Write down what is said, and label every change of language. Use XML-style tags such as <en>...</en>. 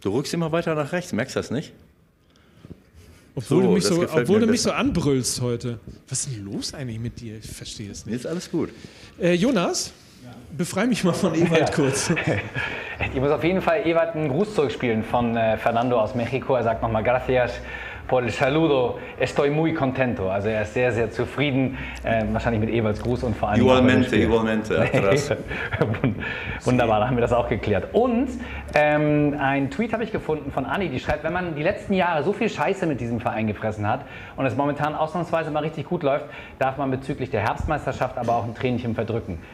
<de>Du rückst immer weiter nach rechts, merkst du das nicht? Obwohl du mich so anbrüllst heute. Was ist denn los eigentlich mit dir? Ich verstehe es nicht. Ist alles gut. Jonas? Befreie mich mal von Ewald kurz. Ich muss auf jeden Fall Ewald einen Gruß zurückspielen von Fernando aus Mexiko. Er sagt nochmal</de> <es>gracias por el saludo. Estoy muy contento.</es> <de>Also er ist sehr, sehr zufrieden. Wahrscheinlich mit Ewalds Gruß und vor allem...</de> <es>Igualmente.</es> <de>Wunderbar, da haben wir das auch geklärt. Und ein Tweet habe ich gefunden von Anni, die schreibt, wenn man die letzten Jahre so viel Scheiße mit diesem Verein gefressen hat und es momentan ausnahmsweise mal richtig gut läuft, darf man bezüglich der Herbstmeisterschaft aber auch ein Tränchen verdrücken.</de>